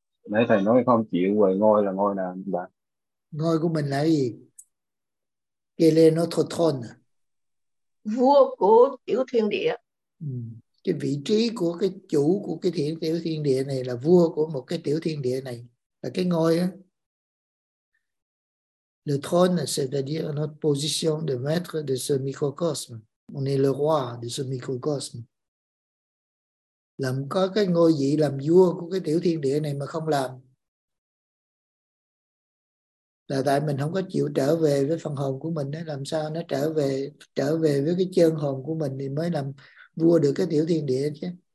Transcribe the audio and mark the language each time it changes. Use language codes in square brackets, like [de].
[vi] nãy thầy nói không chịu về ngôi là ngôi nào bạn? Ngôi của mình là gì? [fr] Quel là notre trône? [vi] Vua của tiểu thiên địa. Cái vị trí của cái chủ của cái thiên tiểu thiên địa này là vua của một cái tiểu thiên địa này, là cái ngôi á. [fr] Le trône, c'est-à-dire notre position de maître de ce microcosme. On est le roi de ce microcosme. [vi] Làm có cái ngôi vị làm vua của cái tiểu thiên địa này mà không làm là tại mình không có chịu trở về với phần hồn của mình ấy. Làm sao nó trở về với cái chân hồn của mình thì mới làm vua được cái tiểu thiên địa chứ.